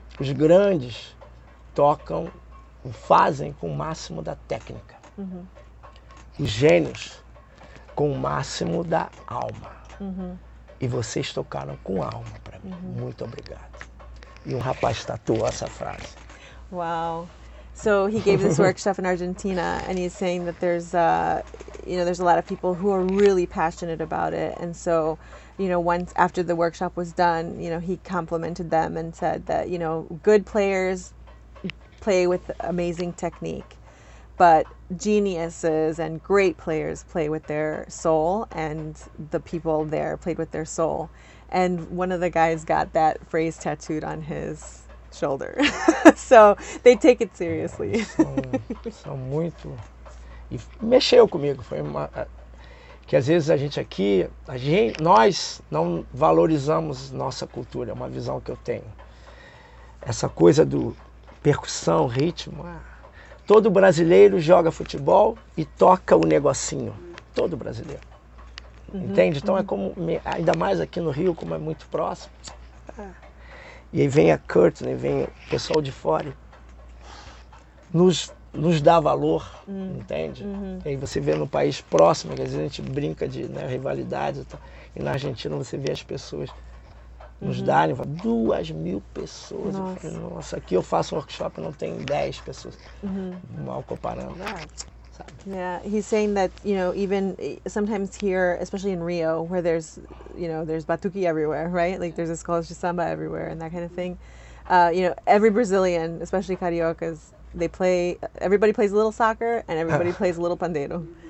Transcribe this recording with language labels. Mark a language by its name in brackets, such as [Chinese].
[Portuguese] Os grandes tocam, fazem com o máximo da técnica. Uhum. Os gênios com o máximo da alma. Uhum. E vocês tocaram com alma para mim. Uhum. Muito obrigado. E um rapaz tatuou essa frase. Uau! Wow. [English] So he gave this workshop in Argentina, and he's saying that there's, there's a lot of people who are really passionate about it. And so, you know, once after the workshop was done, you know, he complimented them and said that, you know, good players play with amazing technique, but geniuses and great players play with their soul, and the people there played with their soul. And one of the guys got that phrase tattooed on his shoulder. So they take it seriously. [Portuguese] São muito. E mexeu comigo. Foi uma. Que às vezes a gente aqui, a gente, nós não valorizamos nossa cultura, é uma visão que eu tenho. Essa coisa do percussão, ritmo. Todo brasileiro joga futebol e toca o negocinho. Todo brasileiro. Uhum, entende? Então uhum. É como. Ainda mais aqui no Rio, como é muito próximo. E aí vem a Courtney, vem o pessoal de fora, nos dá valor, entende? Uhum. E aí você vê no país próximo, que às vezes a gente brinca de, né, rivalidade e tal, e na Argentina você vê as pessoas nos darem, 2,000 pessoas. Nossa. Eu falei, nossa, aqui eu faço um workshop e não tem 10 pessoas, mal comparando. [English] Yeah, he's saying that, you know, even sometimes here, especially in Rio, where there's, you know, there's batuque everywhere, right? Like there's escolas de samba everywhere and that kind of thing. You know, every Brazilian, especially cariocas, they play, everybody plays a little soccer and everybody plays a little pandeiro.